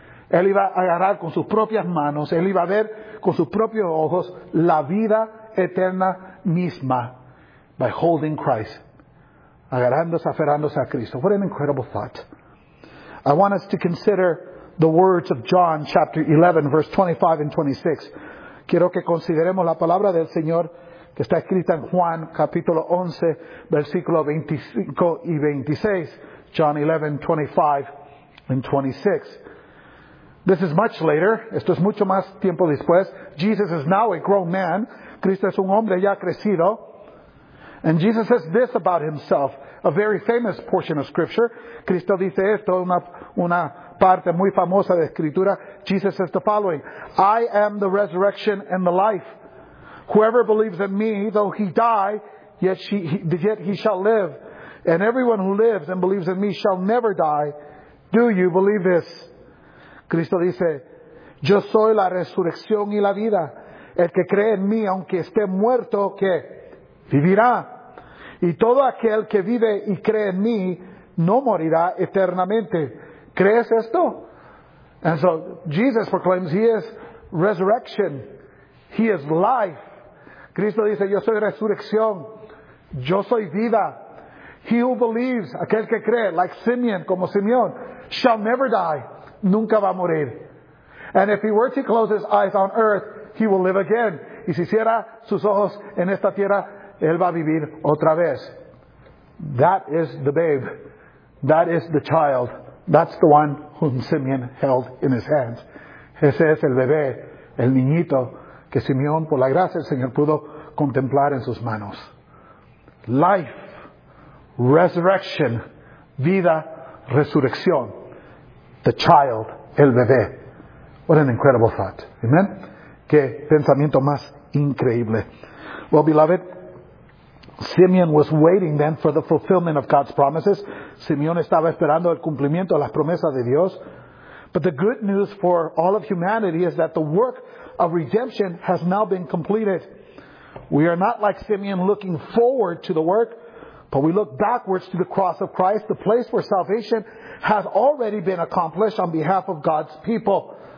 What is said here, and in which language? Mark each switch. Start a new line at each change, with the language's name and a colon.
Spanish: Él iba a agarrar con sus propias manos, él iba a ver con sus propios ojos la vida eterna misma.
English: By holding Christ.
Spanish: Agarrándose, aferrándose a Cristo.
English: What an incredible thought. I want us to consider the words of John chapter 11, verse 25 and 26.
Spanish: Quiero que consideremos la palabra del Señor que está escrita en Juan capítulo 11, versículo 25 y 26.
English: John 11, 25 and 26. This is much later.
Spanish: Esto es mucho más tiempo después.
English: Jesus is now a grown man.
Spanish: Cristo es un hombre ya crecido.
English: And Jesus says this about himself, a very famous portion of Scripture.
Spanish: Cristo dice esto, una parte muy famosa de Escritura.
English: Jesus says the following, I am the resurrection and the life. Whoever believes in me, though he die, yet he shall live. And everyone who lives and believes in me shall never die. Do you believe this?
Spanish: Cristo dice, yo soy la resurrección y la vida. El que cree en mí, aunque esté muerto, que vivirá. Y todo aquel que vive y cree en mí, no morirá eternamente. ¿Crees esto?
English: And so, Jesus proclaims, he is resurrection. He is life.
Spanish: Cristo dice, yo soy resurrección. Yo soy vida.
English: He who believes,
Spanish: aquel que cree,
English: like Simeon,
Spanish: como Simeón,
English: shall never die.
Spanish: Nunca va a morir.
English: And if he were to close his eyes on earth, he will live again.
Spanish: Y si cierra sus ojos en esta tierra, él va a vivir otra vez.
English: That is the babe. That is the child. That's the one whom Simeon held in his hands.
Spanish: Ese es el bebé, el niñito, que Simeón, por la gracia del Señor, pudo contemplar en sus manos.
English: Life. Resurrection.
Spanish: Vida. Resurrección.
English: The child.
Spanish: El bebé.
English: What an incredible thought. Amen.
Spanish: Qué pensamiento más increíble.
English: Well, beloved, Simeon was waiting then for the fulfillment of God's promises.
Spanish: Simeón estaba esperando el cumplimiento de las promesas de Dios.
English: But the good news for all of humanity is that the work of redemption has now been completed. We are not like Simeon looking forward to the work, but we look backwards to the cross of Christ, the place where salvation has already been accomplished on behalf of God's people.